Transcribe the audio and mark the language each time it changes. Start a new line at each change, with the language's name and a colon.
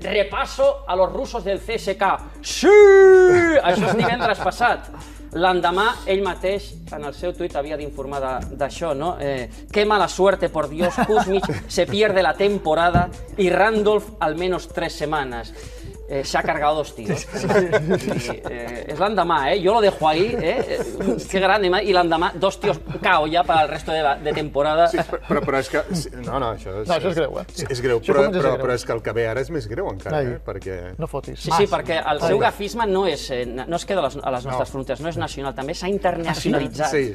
Spanish: Repaso a los rusos del CSKA. ¡Sí!
Catalan: Això és divendres passat. L'endemà, ell mateix, en el seu tuit, havia d'informar d'això, no?
Spanish: Qué mala suerte, por Dios, Kuzmich se pierde la temporada y Randolph al menos 3 semanas.
Catalan: S'ha
Spanish: cargado 2 tíos.
Catalan: És l'endemà, jo
Spanish: lo dejo ahí, que gran,
Catalan: i l'endemà 2
Spanish: tíos cao
Catalan: ja pel resto de temporada. Però és que... No, això és greu. És greu, però és que el que ve ara és més greu encara, perquè... No fotis. Sí, perquè el seu gafisme no es queda a les nostres fronteres, no és nacional, també s'ha internacionalitzat.